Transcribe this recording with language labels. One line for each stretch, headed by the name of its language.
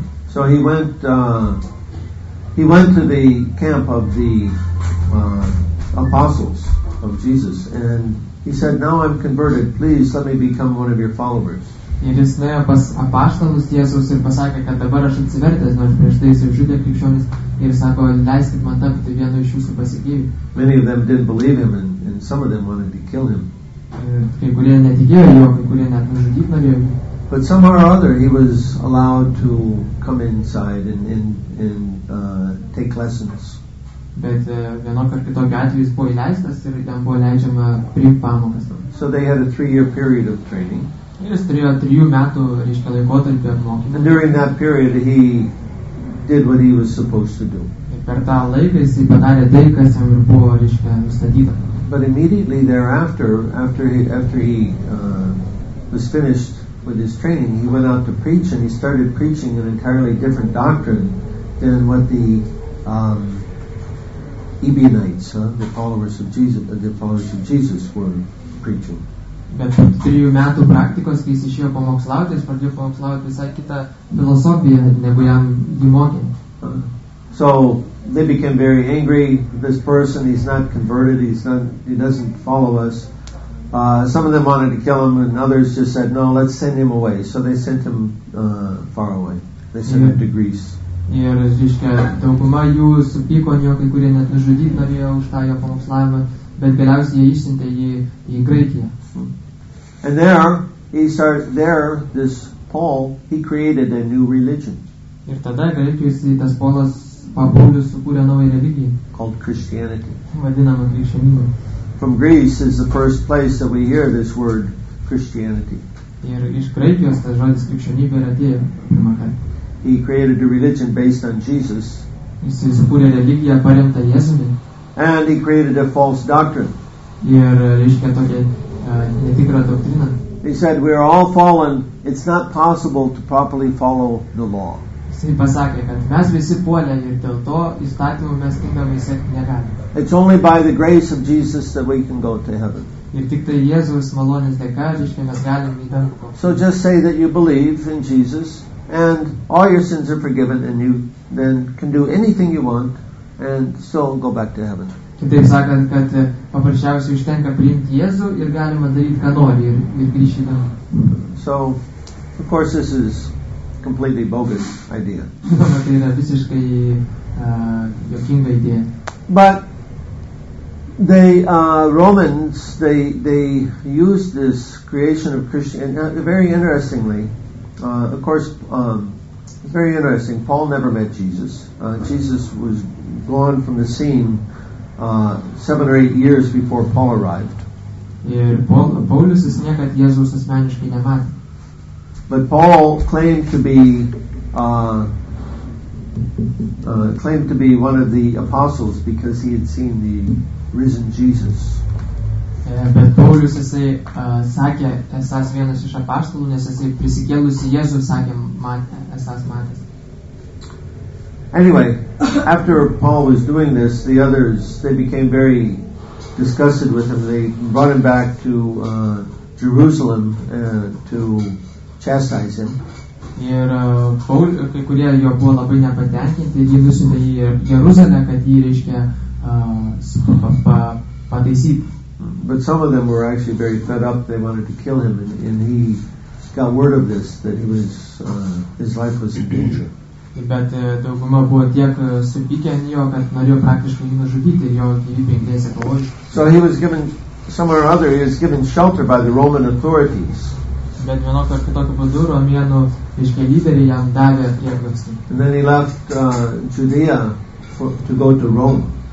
English: So he went to the camp of the apostles of Jesus, and he said, "Now I'm converted. Please let me become one of your followers."
Lithuanian: Ir jis nuėjo pas apaštalus Jėzus ir pasakė, kad dabar aš atsivertęs, nors prieš tai jis žudė krikščionis, ir sako, leiskit man tapti vienu iš jūsų pasikėjų.
English: Many of them didn't believe him, and some of them wanted to kill him.
Lithuanian: Kai kurie netikėjo jo, kai kurie net nužudyti norėjo.
English: But somehow or other, he was allowed to come inside and take lessons.
Lithuanian: Bet vienok ar kitok atveju jis buvo įleistas ir ten buvo leidžiama priimti pamokas.
English: So they had a 3-year period of training.
Lithuanian: Ir jis turėjo 3 metų, reiškia, laikotarpį apmokymą.
English: And during that period, he did what he was supposed to do.
Lithuanian: Ir per tą laiką jis padarė tai, kas jam ir buvo, reiškia, nustatyta.
English: But immediately thereafter, after he was finished with his training, he went out to preach, and he started preaching an entirely different doctrine than what the Ebionites, the followers of Jesus, were preaching.
Lithuanian: Bet 3 metų praktikos, kai jis išėjo pamokslauti, jis pradėjo pamokslauti visai kitą filosofiją, negu jam jį mokė.
English: So they became very angry. This person, he's not converted. He doesn't follow us. Some of them wanted to kill him, and others just said, "No, let's send him away." So they sent him far away. They sent him to Greece.
Lithuanian: Ir, reiškia, dauguma jų supyko, kai kurie net nužudyti norėjo už tą jo pamokslavimą, bet galiausiai jie išsintė jį į Graikiją.
English: And there, this Paul, he created a new religion.
Lithuanian: Ir tada Graikijoje tas Paulius sukūrė naują religiją.
English: Called Christianity.
Lithuanian: Vadinama krikščionybė.
English: From Greece is the first place that we hear this word Christianity.
Lithuanian: Ir iš Graikijos tas žodis krikščionybė yra atėjo pirmą kartą.
English: He created a religion based on Jesus.
Lithuanian: Jis sukūrė religiją paremtą Jėzumi.
English: And he created a false doctrine.
Lithuanian: Ir reiškia tokia netikra doktrina.
English: He said, "We are all fallen. It's not possible to properly follow the law."
Lithuanian: Jis pasakė, kad mes visi puolę ir dėl to įstatymų mes tinkamai sekti negalime.
English: It's only by the grace of Jesus that we can go to heaven.
Lithuanian: Ir tik tai Jėzaus malonės dėka, reiškia, mes galim į dangų.
English: So just say that you believe in Jesus and all your sins are forgiven and you then can do anything you want and so go back to heaven.
Lithuanian: Kitaip sakant, kad paprasčiausiai užtenka priimti Jėzų ir galima daryti ką nori ir grįžti į dangų.
English: So of course this is completely bogus idea.
Lithuanian: Tai yra visiškai jokinga idėja.
English: But the Romans they used this creation of Christianity very interestingly. Very interesting. Paul never met Jesus. Jesus was gone from the scene 7 or 8 years before Paul arrived.
Lithuanian: Paulius niekad Jėzaus asmeniškai nematė.
English: But Paul claimed to be one of the apostles because he had seen the risen Jesus.
Lithuanian: Bet Paulius jisai sakė esas vienas iš apaštalų, nes jisai prisikėlusi Jėzų sakė esas matęs.
English: Anyway, after Paul was doing this, the others they became very disgusted with him. They brought him back to Jerusalem to chastise him.
Lithuanian: Ir kai kurie jo buvo labai nepatenkinti, jį nusiuntė į Jeruzalę, kad jį reiškia pataisyti.
English: But some of them were actually very fed up. They wanted to kill him, and he got word of this that he was his life was in danger.
Lithuanian: Bet dauguma buvo tiek supykę ant jo, kad norėjo praktiškai jį nužudyti, jo gyvybė grėsė pavojus.
English: So he was given somewhere or other. He was given shelter by the Roman authorities.
Lithuanian: Bet vienokio ar kitokio būdu romėnų iškelyderiai jam davė prieglobstį.
English: And then he left Judea to go to Rome.